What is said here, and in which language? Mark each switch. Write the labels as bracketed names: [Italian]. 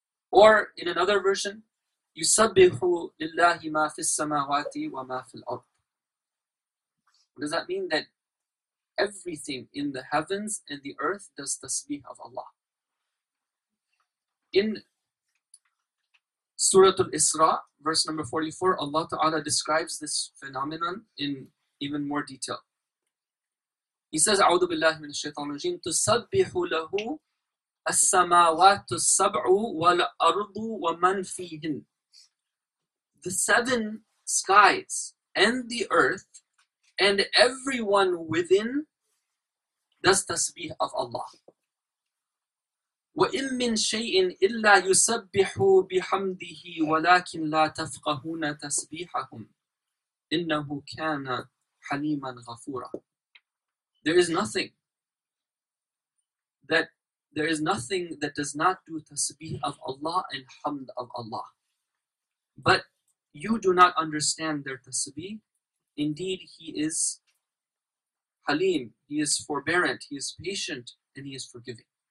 [English] Or in another version, [Arabic] يُسَبِّحُ لِلَّهِ مَا فِي السَّمَاوَاتِ وَمَا فِي الْأَرْضِ. [English] Does that mean that everything in the heavens and the earth does tasbih of Allah? In Surah Al-Isra, verse number 44, Allah Ta'ala describes this phenomenon in even more detail. He says, [Arabic] أَعُوذُ بِاللَّهِ مِنَ الشَّيْطَانِ الرَّجِيمِ تُسَبِّحُ لَهُ السَّمَاوَاتُ السَّبْعُ وَالْأَرْضُ وَمَنْ فِيهِنْ. [English] The seven skies and the earth and everyone within does tasbih of Allah. [Arabic] وَإِن مِّن شَيْءٍ إِلَّا يُسَبِّحُ بِحَمْدِهِ وَلَكِنْ لَا تَفْقَهُونَ تَسْبِيحَهُمْ إِنَّهُ كَانَ حَلِيمًا غَفُورًا. [English] There is nothing that there is nothing that does not do tasbih of Allah and hamd of Allah. But you do not understand their tasbih. Indeed, he is Halim, he is forbearant, he is patient, and he is forgiving.